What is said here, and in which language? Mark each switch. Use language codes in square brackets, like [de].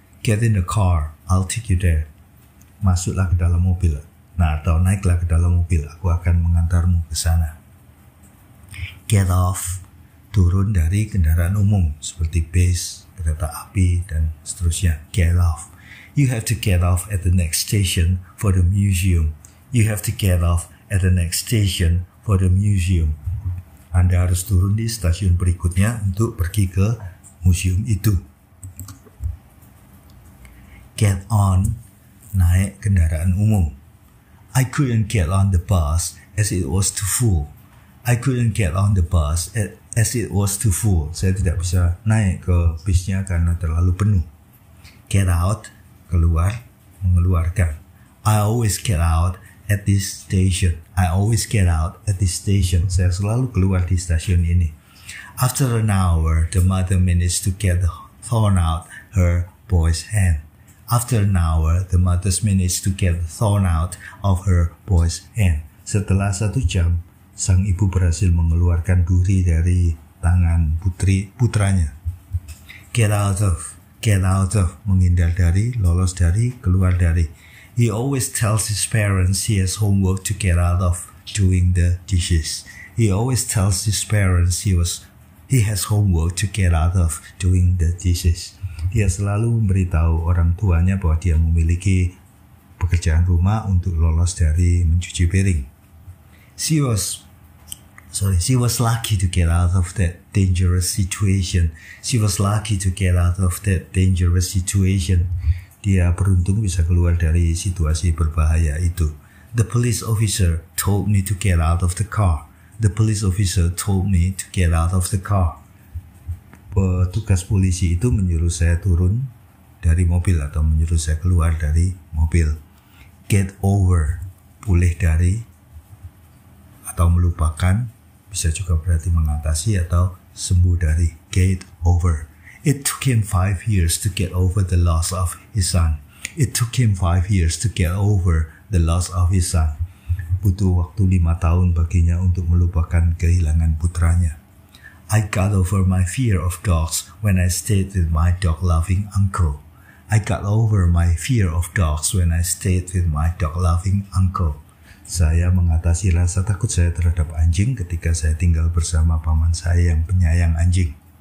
[en] get in the car, I'll take you there. [id] Masuklah ke dalam mobil. Nah, atau naiklah ke dalam mobil, aku akan mengantarmu ke sana. Get off, turun dari kendaraan umum seperti bus, kereta api, dan seterusnya. [en] Get off. You have to get off at the next station for the museum. You have to get off at the next station for the museum. [id] Anda harus turun di stasiun berikutnya untuk pergi ke museum itu. [en] Get on, [id] naik kendaraan umum. [en] I couldn't get on the bus as it was too full. I couldn't get on the bus as it was too full. [id] Saya tidak bisa naik ke bisnya karena terlalu penuh. [en] Get out, [id] keluar, mengeluarkan. [en] I always get out at this station. I always get out at this station. [id] Saya selalu keluar di stasiun ini. [en] After an hour, the mother managed to get the thorn out her boy's hand. After an hour, the mother managed to get the thorn out of her boy's hand. [id] Setelah satu jam, sang ibu berhasil mengeluarkan duri dari tangan putranya. Get out of, menghindar dari, lolos dari, keluar dari. [en] He always tells his parents he has homework to get out of doing the dishes. He always tells his parents he has homework to get out of doing the dishes. [id] Dia selalu memberitahu orang tuanya bahwa dia memiliki pekerjaan rumah untuk lolos dari mencuci piring. [en] She was lucky to get out of that dangerous situation. She was lucky to get out of that dangerous situation. [id] Dia beruntung bisa keluar dari situasi berbahaya itu. [en] The police officer told me to get out of the car. The police officer told me to get out of the car. [id] Petugas polisi itu menyuruh saya turun dari mobil atau menyuruh saya keluar dari mobil. Get over, pulih dari atau melupakan. Bisa juga berarti mengatasi atau sembuh dari. Get over. [en] It took him 5 years to get over the loss of his son. It took him 5 years to get over the loss of his son. [id] Butuh waktu 5 tahun baginya untuk melupakan kehilangan putranya. [en] I got over my fear of dogs when I stayed with my dog-loving uncle. I got over my fear of dogs when I stayed with my dog-loving uncle. [id] Saya mengatasi rasa takut saya terhadap anjing ketika saya tinggal bersama paman saya yang penyayang anjing.